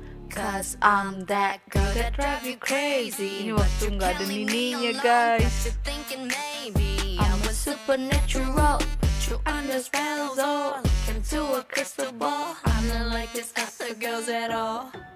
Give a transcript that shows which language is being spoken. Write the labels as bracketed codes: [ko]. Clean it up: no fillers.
[en] Cause I'm that girl that drive you crazy. [id] Ini waktu gak ada nininya guys. [en] I'm a supernatural, put you under spell though. Look into a crystal ball, I'm not like this other girls at all.